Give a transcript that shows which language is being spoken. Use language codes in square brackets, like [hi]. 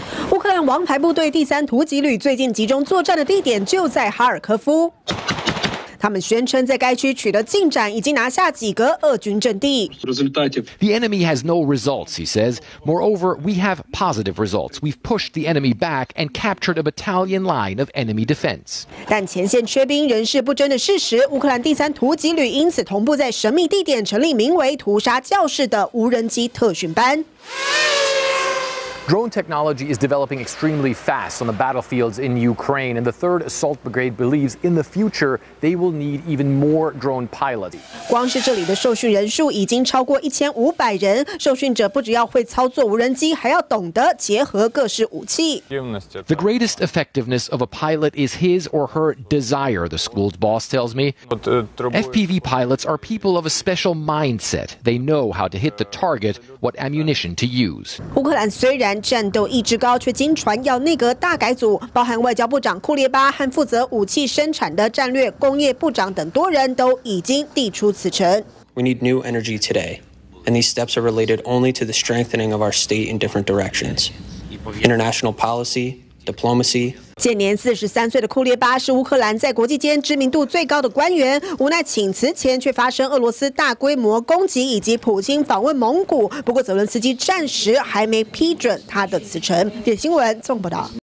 [zh] 乌克兰王牌部队第三突击旅最近集中作战的地点就在哈尔科夫，他们宣称在该区取得进展，已经拿下几个俄军阵地。 [en] The enemy has no results, he says. Moreover, we have positive results. We've pushed the enemy back and captured a battalion line of enemy defense. [zh] 但前线缺兵仍是不争的事实。乌克兰第三突击旅因此同步在神秘地点成立名为“屠杀教室”的无人机特训班。 [en] Drone technology is developing extremely fast on the battlefields in Ukraine, and the 3rd Assault Brigade believes in the future they will need even more drone pilots. [zh] 光是这里的受训人数已经超过1500人，受训者不只要会操作无人机，还要懂得结合各式武器。 [en] The greatest effectiveness of a pilot is his or her desire, the school's boss tells me. FPV pilots are people of a special mindset. They know how to hit the target, what ammunition to use. [zh] 乌克兰虽然战斗意志高，却经传要内阁大改组，包含外交部长库列巴和负责武器生产的战略工业部长等多人都已经递出辞呈。 [en] We need new energy today, and these steps are related only to the strengthening of our state in different directions. International policy, diplomacy. [zh] 现年43岁的库列巴是乌克兰在国际间知名度最高的官员，无奈请辞前却发生俄罗斯大规模攻击以及普京访问蒙古。不过泽伦斯基暂时还没批准他的辞呈。点新闻综合报道。